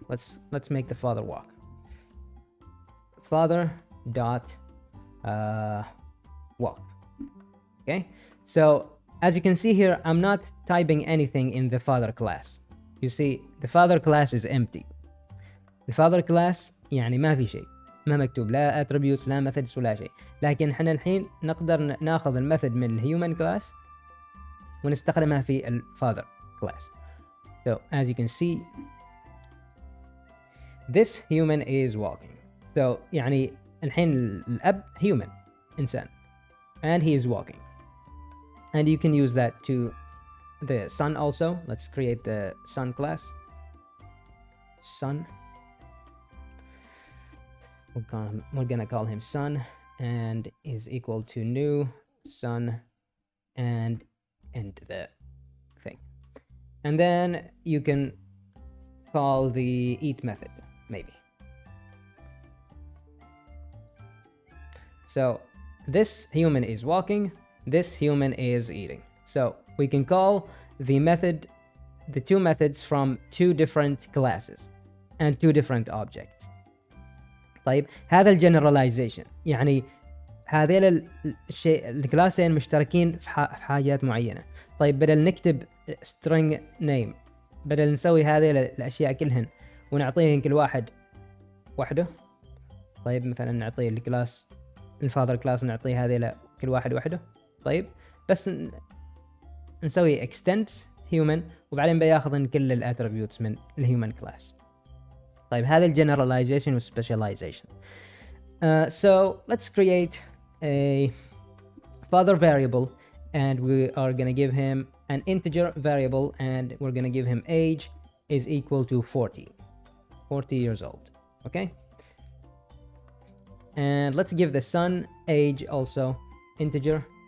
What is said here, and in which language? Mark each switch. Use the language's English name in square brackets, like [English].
[English] Let's make the father walk. Father dot walk. Okay, so as you can see here, I'm not typing anything in the father class. You see, the father class is empty. The father class, [Arabic] يعني ما في شيء. ما مكتوب لا attributes, لا methods, ولا شيء. لكن احنا الحين نقدر ناخذ الميثود من human class ونستخدمها في father class. [English] So, as you can see, this human is walking. [Arabic] So, يعني الحين الأب human, إنسان. [English] And he is walking. And you can use that to the son also. Let's create the son class. Son. We're gonna call him son, and is equal to new son, and end the thing. And then you can call the eat method, maybe. So this human is walking. This human is eating. So we can call the method, the two methods from two different classes and two different objects. [Arabic] طيب هذا الجنراليزيشن يعني هذيل الشيء الكلاسين مشتركين في حاجات معينة. طيب بدل نكتب string name, بدل نسوي هذيل الأشياء كلهن ونعطيهن كل واحد وحده. طيب مثلا نعطي الكلاس الفاذر كلاس ونعطيه هذيل كل واحد وحده. طيب بس نسوي extends human وبعدين بياخذن كل الاتربيوتس من الهيومن كلاس. طيب هذا الجنراليزيشن والسبيشاليزيشن. [English] So let's create a father variable, and we are gonna give him an integer variable, and we're gonna give him age is equal to 40 years old. Okay, and let's give the son age also integer.